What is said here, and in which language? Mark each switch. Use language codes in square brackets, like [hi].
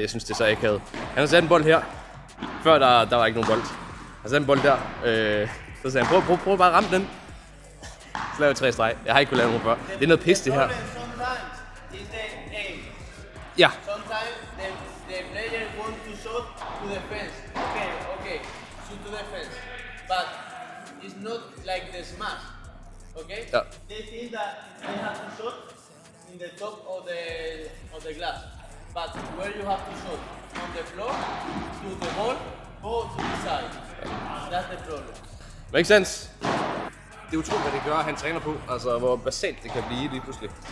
[da] Jeg synes, det er så akavet. Han har sat en bold her. Før der var ikke nogen bold. Han sat en bold der. Så sagde han, prøv bare at ramme den. Så lavede jeg 3 streg. Jeg har ikke kunnet lave nogen før. Det er noget pis, det her. [en] Sometimes is the aim. [da] Ja. [en] Sometimes the player want to shoot to the fence. Okay. Shoot to the fence. But it's not like the smash. Okay? [da] Ja. [en] They think that they have to shoot in the top of the glass. But where you have to shoot, on the floor, to the wall, or to the side. That's the problem. Makes sense. [da] Det er utroligt, hvad det gør, at han træner på. Altså, hvor basalt det kan blive lige pludselig.